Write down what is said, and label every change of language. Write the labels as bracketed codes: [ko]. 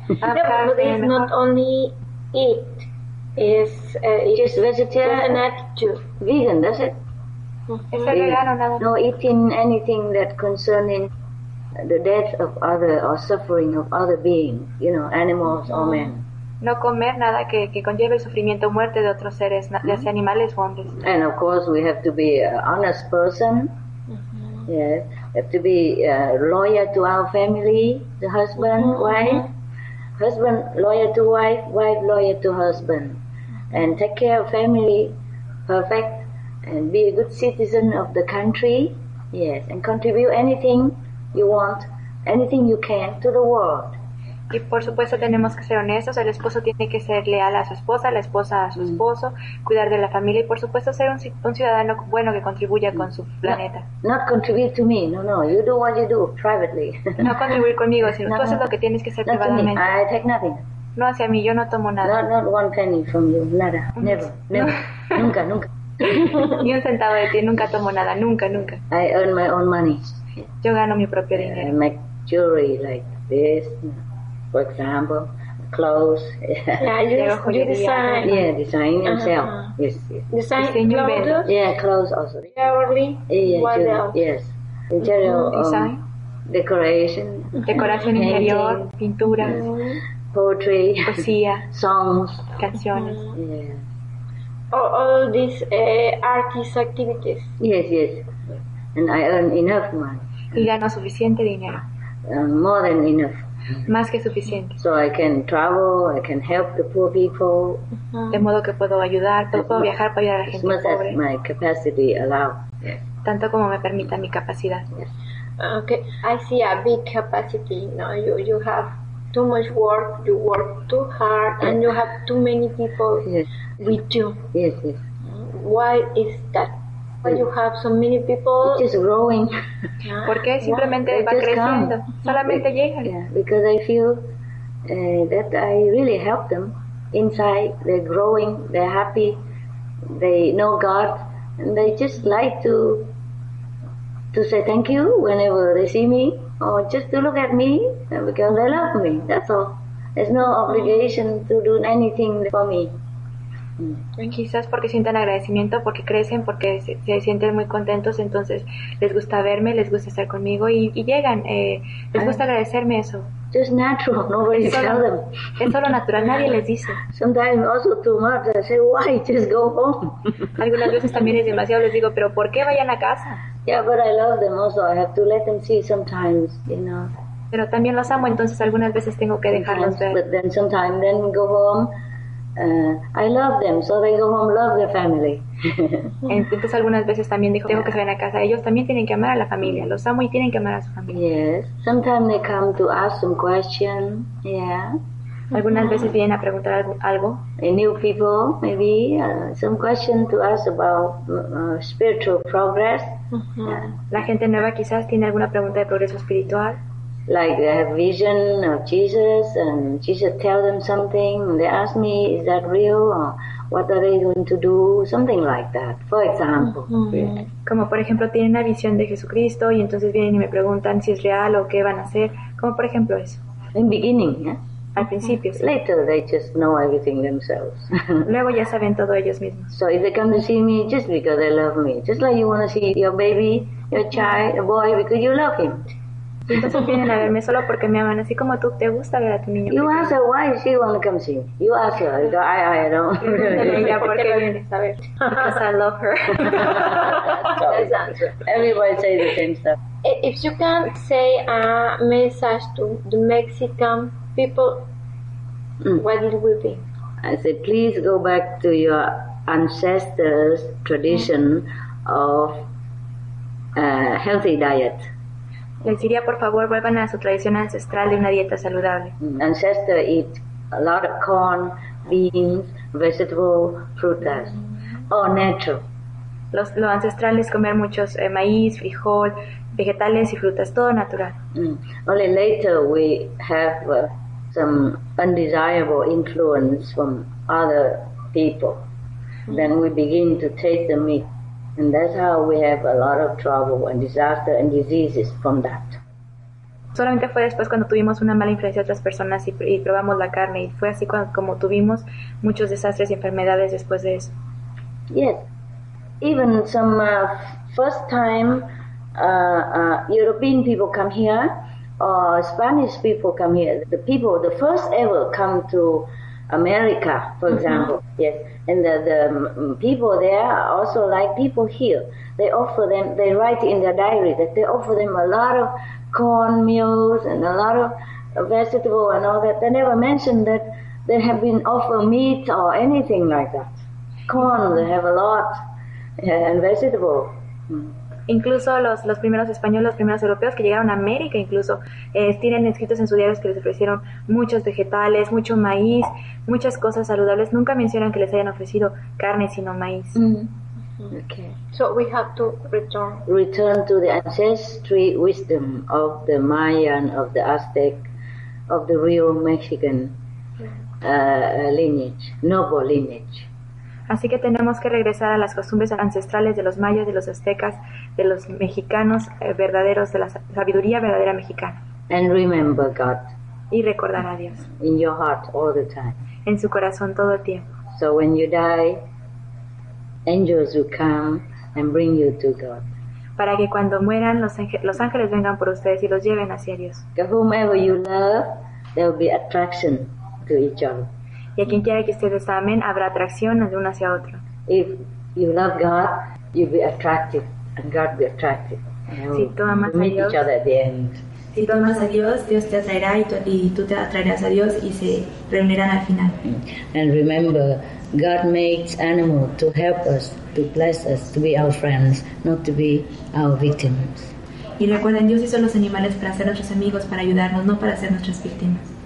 [en] But it's not only it. It's just vegetarian. An attitude. Vegan, that's it. [es] Es vegano, nada. [en] No eating anything that concerning the death of other or suffering of other beings, you know, animals or men. [es] No comer nada que conlleve el sufrimiento o muerte de otros seres, ya sea animales o hombres. [en] And of course we have to be an honest person. Mm-hmm. Yes, we have to be loyal to our family, the husband, mm-hmm. wife. Mm-hmm. Husband loyal to wife, wife loyal to husband. Mm-hmm. And take care of family, perfect, and be a good citizen of the country. Yes, and contribute anything you want, anything you can to the world. [es] Y por supuesto tenemos que ser honestos, el esposo tiene que ser leal a su esposa, la esposa a su esposo, cuidar de la familia y por supuesto ser un ciudadano bueno que contribuya con su planeta. [en] Not contribute to me, no, you do what you do privately. [es] No contribuir conmigo, sino tú haces lo que tienes que hacer privadamente. [en] I take nothing. [es] No hacia mí, yo no tomo nada. [en] Not one penny from you, [es] nada, [en] never. [es] nunca. Ni un centavo de ti, nunca tomo nada, nunca. [en] I earn my own money. [es] Yo gano mi propio dinero. [en] I make jewelry like this. For example, clothes. Yeah, you design yourself. Uh-huh. Yes, yes. Design clothes? Yeah, clothes also. Jewelry? Yes. Interior. Design? Decoration. [es] Decoración interior, pintura. Mm-hmm. [en] Poetry. [es] Poesía. [en] Songs. [es] Canciones. [en] Mm-hmm. Yeah. all these artist activities. Yes, yes. And I earn enough money. [es] Y gano suficiente dinero. [en] More than enough. [es] Más que suficiente. [en] So I can travel, I can help the poor people. [es] De modo que puedo ayudar, puedo viajar para ayudar a la gente pobre. [en] As much as my capacity allow. Yes. [es] Tanto como me permita mi capacidad. [en] Okay, I see a big capacity. No, you have too much work, you work too hard, and you have too many people with you. Yes, yes. Why is that? Why you have so many people? It is growing. [es] Porque simplemente va creciendo. Solamente llegan. [en] Yeah, because I feel that I really help them inside. They're growing, they're happy, they know God, and they just like to say thank you whenever they see me, or just to look at me, because they love me, that's all. There's no obligation to do anything for me. [es] Y quizás porque sienten agradecimiento, porque crecen, porque se sienten muy contentos, entonces les gusta verme, les gusta estar conmigo, y llegan, les gusta agradecerme eso. [en] Just natural, nobody tells them. [es] Es solo natural, nadie les dice. [en] Sometimes also too much, I say, why, just go home. [es] Algunas veces también es demasiado, les digo, pero ¿por qué vayan a casa? [en] Yeah, but I love them also. I have to let them see sometimes, you know. [es] Pero también los amo, entonces algunas veces tengo que dejarlos ver. [en] But then sometimes, then go home. I love them, so they go home, love their family. [es] Entonces algunas veces también dijo, tengo que salir a casa. Ellos también tienen que amar a la familia. Los amo y tienen que amar a su familia. [en] Yes. Sometimes they come to ask some question. Yeah. [es] Algunas veces vienen a preguntar algo. [en] A new people, maybe some question to ask about spiritual progress. [es] La gente nueva quizás tiene alguna pregunta de progreso espiritual. [en] Like they have vision of Jesus, and Jesus tell them something. They ask me, is that real? Or what are they going to do? Something like that. For example. [es] Como por ejemplo tienen una visión de Jesucristo y entonces vienen y me preguntan si es real o qué van a hacer. Como por ejemplo eso. [en] In beginning, yeah. [es] Al principio, sí. [en] Later they just know everything themselves. [es] Luego ya saben todo ellos mismos. [en] So if they come to see me, just because they love me. Just like you want to see your baby, your child, a boy, because you love him. [es] Y entonces vienen a verme solo porque me aman, así como tú, te gusta ver a tu niño. [en] You ask her, why she want to come see me? You ask her, I don't really. [es] Ella, ¿por qué vienes a ver? [en] Because I love her. That's answer. Everybody say the same stuff. If you can say a message to the Mexican people, what it will be? I said, please go back to your ancestors' tradition of a healthy diet. [es] Les diría, por favor, vuelvan a su tradición ancestral de una dieta saludable. [en] Ancestors eat a lot of corn, beans, vegetables, frutas, or natural. [es] Lo ancestral es comer muchos maíz, frijol, vegetales y frutas, todo natural. [en] Only later we have some undesirable influence from other people. Then we begin to taste the meat. And that's how we have a lot of trouble and disaster and diseases from that. Solamente fue después cuando tuvimos una mala influencia de otras personas y probamos la carne, y fue así como tuvimos muchos desastres y enfermedades después de eso. Yes. Even some first time European people come here, or Spanish people come here. The people, the first ever come to America, for example, yes, and the people there are also like people here. They offer them, they write in their diary that they offer them a lot of corn meals and a lot of vegetable and all that. They never mentioned that they have been offered meat or anything like that. Corn, they have a lot, and vegetable. [es] Incluso los primeros españoles, los primeros europeos que llegaron a América, incluso tienen escritos en sus diarios que les ofrecieron muchos vegetales, mucho maíz, muchas cosas saludables. Nunca mencionan que les hayan ofrecido carne, sino maíz. [en] Mm-hmm. Okay. So we have to return. Return to the ancestry wisdom of the Mayan, of the Aztec, of the real Mexican lineage, noble lineage. [es] Así que tenemos que regresar a las costumbres ancestrales de los mayas, de los aztecas, de los mexicanos verdaderos, de la sabiduría verdadera mexicana. [en] And remember God. [es] Y recordar a Dios. [en] In your heart all the time. [es] En su corazón todo el tiempo. [en] So when you die, angels will come and bring you to God. [es] Para que cuando mueran los ángeles vengan por ustedes y los lleven hacia Dios. [en] To whomever you love, there will be attraction to each other. [es] Y a quien quiera que ustedes amen, habrá atracción de uno hacia otro. [en] if you love God, you be attracted, and God be attracted. [es] Si tú amas [en] meet [es] a Dios, [en] each other at the end. [es] Si tú amas a Dios, Dios te atraerá y tú te atraerás a Dios y se reunirán al final. [en] And remember, God makes animals to help us, to bless us, to be our friends, not to be our victims. [es] Y recuerden, Dios hizo los animales para ser nuestros amigos, para ayudarnos, no para ser nuestras víctimas.